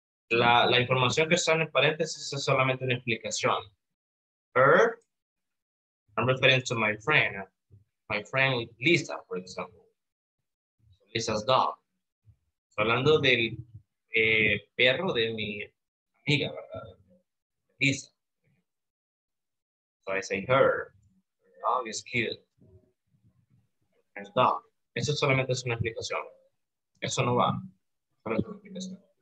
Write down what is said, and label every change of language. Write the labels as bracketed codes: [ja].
[es] La información que está en paréntesis es solamente una explicación. [en] Her, I'm referring to my friend Lisa, for example. Lisa's dog. [es] So hablando del perro de mi amiga, ¿verdad? Lisa. [en] So I say her dog is cute. Her dog. [es] Eso solamente es una explicación. Eso no va. Pero es una explicación.